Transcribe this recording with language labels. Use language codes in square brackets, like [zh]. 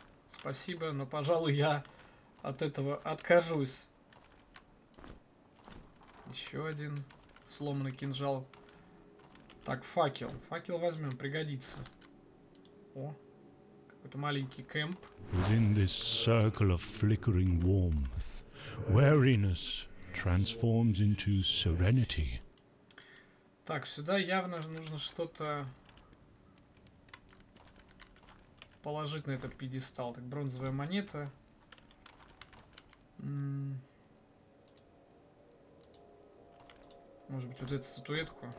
[ru] Спасибо, но, пожалуй, я от этого откажусь. Еще один сломанный кинжал. Так, факел. Факел возьмем, пригодится. О, какой-то маленький кемп. [en] Within this circle of flickering warmth, weariness transforms into serenity. [ru] Так, сюда явно нужно что-то положить на этот пьедестал. Так, бронзовая монета. Может быть, вот эту статуэтку?